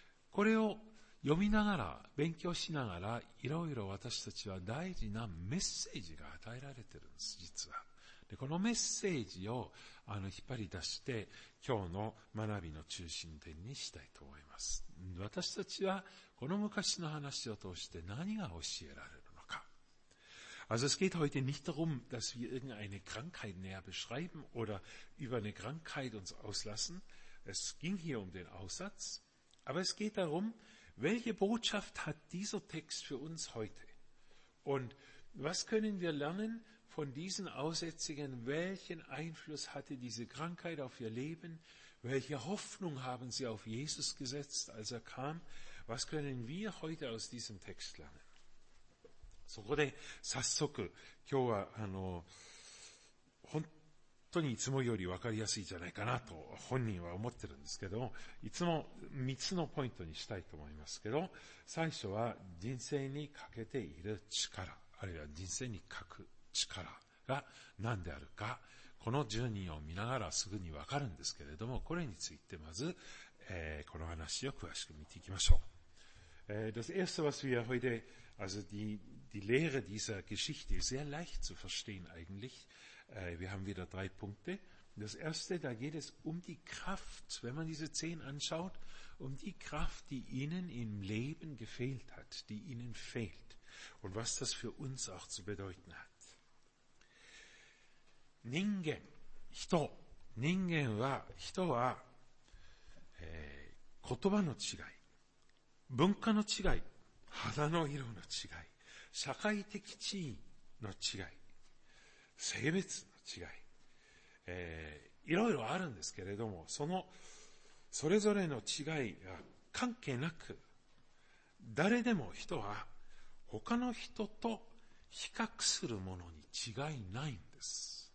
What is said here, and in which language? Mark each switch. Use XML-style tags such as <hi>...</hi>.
<ja>これを読みながら、勉強しながら、いろいろ私たちは大事なメッセージが与えられているんです、実は。で、このメッセージを引っ張り出して今日の学びの中心点にしたいと思います。私たちはこの昔の話を通して何が教えられるのか。</ja> <de>Also es geht heute nicht darum, dass wir irgendeine Krankheit näher beschreiben oder über eine Krankheit uns auslassen. Es ging hier um den Aussatz. Aber es geht darum, welche Botschaft hat dieser Text für uns heute? Und was können wir lernen von diesen Aussätzigen? Welchen Einfluss hatte diese Krankheit auf ihr Leben? Welche Hoffnung haben sie auf Jesus gesetzt, als er kam? Was können wir heute aus diesem Text lernen?</de> <ja>そこで早速今日は本当にいつもより分かりやすいじゃないかなと本人は思ってるんですけど、いつも3つのポイントにしたいと思いますけど、最初は人生に欠けている力、あるいは人生に欠く力が何であるか、この10人を見ながらすぐに分かるんですけれども、これについてまず、この話を詳しく見ていきましょう。</ja> <de>Das erste, was wir heute, also die Lehre dieser Geschichte ist sehr leicht zu verstehen eigentlich. Wir haben wieder drei Punkte. Das erste, da geht es um die Kraft, wenn man diese 10 anschaut, um die Kraft, die ihnen im Leben gefehlt hat, die ihnen fehlt und was das für uns auch zu bedeuten hat.</de> <ja>Ningen, 人は言葉の違い。文化の違い、肌の色の違い、社会的地位の違い、性別の違い、いろいろあるんですけれども、そのそれぞれの違いが関係なく、誰でも人は他の人と比較するものに違いないんです。</ja>